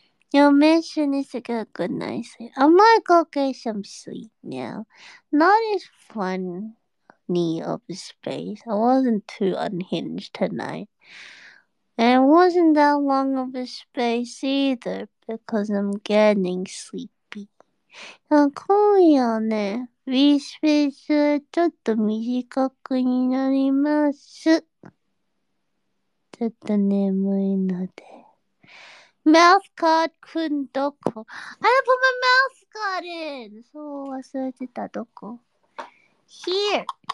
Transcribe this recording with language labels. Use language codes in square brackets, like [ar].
[en] Your mission is to get a good night's sleep. I might go get some sleep now. Not as funny of a space. I wasn't too unhinged tonight. It wasn't that long of a space either because I'm getting sleepy. [ja] あ、今夜ね、ウィスペースはちょっと短くになります。ちょっと眠いので。 [en] Mouth card [ja] くんどこ [en] ?I put my mouth card in! [ja] そう忘れてた、どこ ? [en] Here!